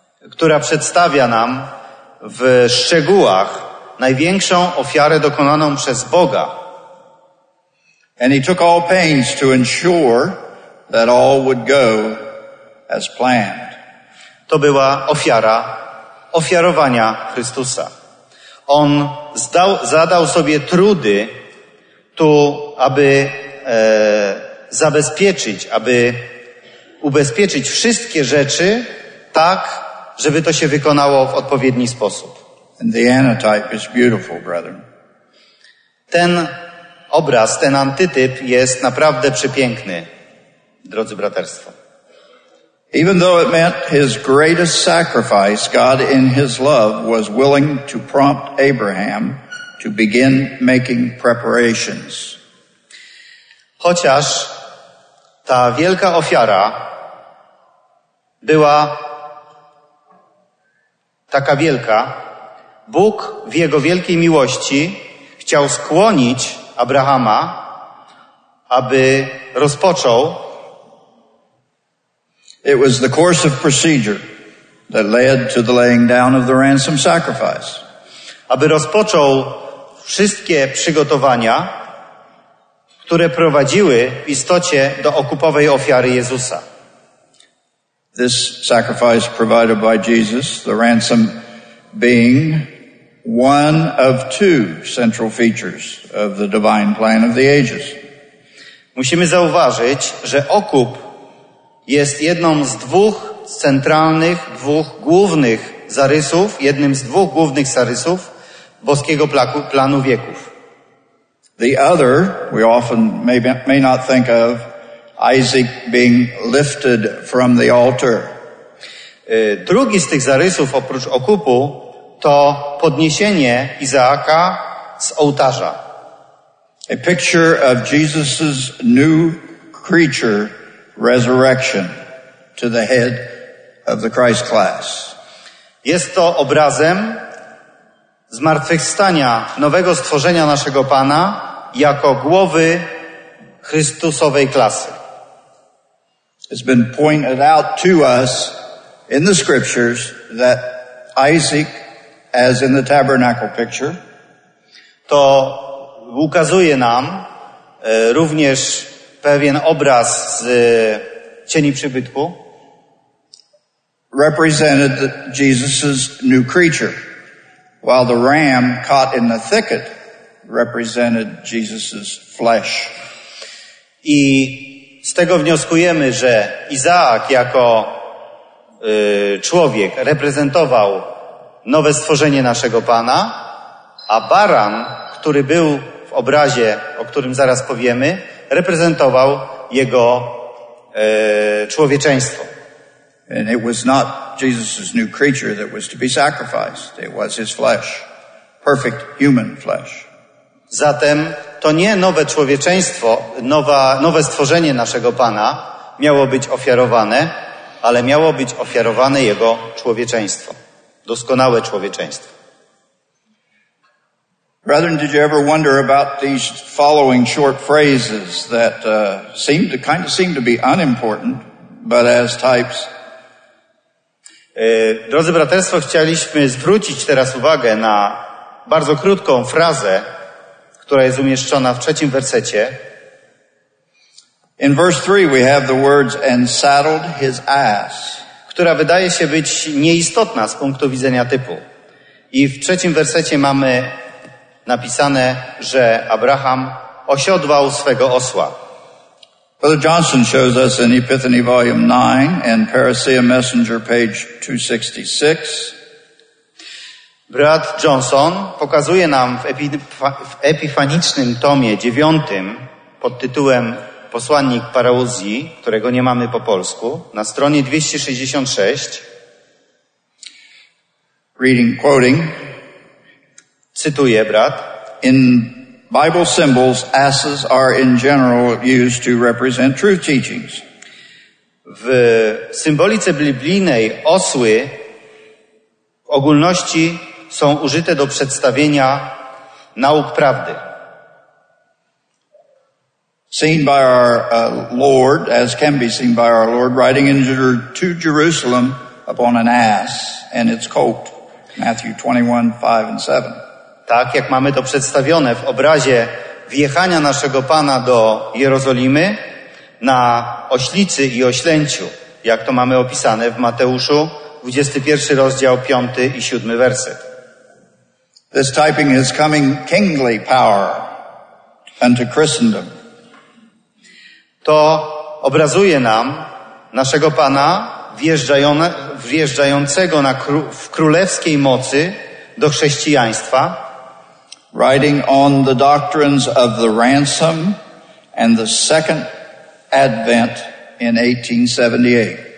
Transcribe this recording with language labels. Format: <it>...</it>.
<pl>Która przedstawia nam w szczegółach największą ofiarę dokonaną przez Boga.</pl> <en>And he took all pains to ensure that all would go as planned.</en> <pl>To była ofiara ofiarowania Chrystusa. On zadał sobie trudy tu, aby zabezpieczyć, aby ubezpieczyć wszystkie rzeczy tak, żeby to się wykonało w odpowiedni sposób.</pl> <en>And the antitype is beautiful, brethren.</en> <pl>Ten obraz, ten antytyp jest naprawdę przepiękny, drodzy braterstwo.</pl> <en>Even though it meant his greatest sacrifice, God in his love was willing to prompt Abraham to begin making preparations.</en> <pl>Chociaż ta wielka ofiara była taka wielka, Bóg w jego wielkiej miłości chciał skłonić Abrahama, aby rozpoczął.</pl> <en>It was the course of procedure that led to the laying down of the ransom sacrifice.</en> <pl>Aby rozpoczął wszystkie przygotowania, które prowadziły w istocie do okupowej ofiary Jezusa.</pl> <en>This sacrifice provided by Jesus, the ransom being one of two central features of the divine plan of the ages.</en> <pl>Musimy zauważyć, że okup jest jedną z dwóch centralnych, dwóch głównych zarysów, jednym z dwóch głównych zarysów boskiego planu wieków.</pl> <en>The other, we often may not think of, Isaac being lifted from the altar.</en> <pl>Drugi z tych zarysów, oprócz okupu, to podniesienie Izaaka z ołtarza.</pl> <en>A picture of Jesus' new creature resurrection to the head of the Christ class.</en> <pl>Jest to obrazem zmartwychwstania nowego stworzenia naszego Pana jako głowy Chrystusowej klasy.</pl> <en>It's been pointed out to us in the scriptures that Isaac, as in the tabernacle picture,</en> <pl>to ukazuje nam również pewien obraz z cieni przybytku,</pl> <en>represented Jesus's new creature, while the ram caught in the thicket represented Jesus's flesh.</en> <pl>I z tego wnioskujemy, że Izaak jako człowiek reprezentował nowe stworzenie naszego Pana, a baran, który był w obrazie, o którym zaraz powiemy, reprezentował jego człowieczeństwo.</pl> <en>And it was not Jesus' new creature that was to be sacrificed. It was his flesh. Perfect human flesh.</en> <pl>Zatem to nie nowe człowieczeństwo, nowe stworzenie naszego Pana miało być ofiarowane, ale miało być ofiarowane jego człowieczeństwo. Doskonałe człowieczeństwo.</pl> <en>Brethren, did you ever wonder about these following short phrases that seem to be unimportant, but as types?</en> <pl>Drodzy braterstwo, chcieliśmy zwrócić teraz uwagę na bardzo krótką frazę, która jest umieszczona w trzecim wersecie.</pl> <en>In verse 3 we have the words and saddled his ass,</en> <pl>która wydaje się być nieistotna z punktu widzenia typu. I w trzecim wersecie mamy napisane, że Abraham osiodłał swego osła.</pl> <en>Brother Johnson shows us in Epiphany volume 9 and Parousia Messenger page 266.</en> <pl>Brat Johnson pokazuje nam w epifanicznym tomie 9 pod tytułem Posłannik Parauzji, którego nie mamy po polsku, na stronie 266.</pl> <en>Reading, quoting.</en> <pl>Cytuję, brat.</pl> <en>In Bible symbols, asses are in general used to represent truth teachings.</en> <pl>W symbolice biblijnej osły w ogólności są użyte do przedstawienia nauk prawdy.</pl> <en>Seen by our Lord, as can be seen by our Lord, riding into Jerusalem upon an ass and its colt, Matthew 21:5-7.</en> <pl>Tak jak mamy to przedstawione w obrazie wjechania naszego Pana do Jerozolimy na oślicy i oślęciu, jak to mamy opisane w Mateuszu 21 rozdział 5 i 7 werset.</pl> <en>This typing is coming kingly power unto Christendom.</en> <pl>To obrazuje nam naszego Pana wjeżdżającego w królewskiej mocy do chrześcijaństwa.</pl> <en>Riding on the doctrines of the ransom and the second advent in 1878.</en>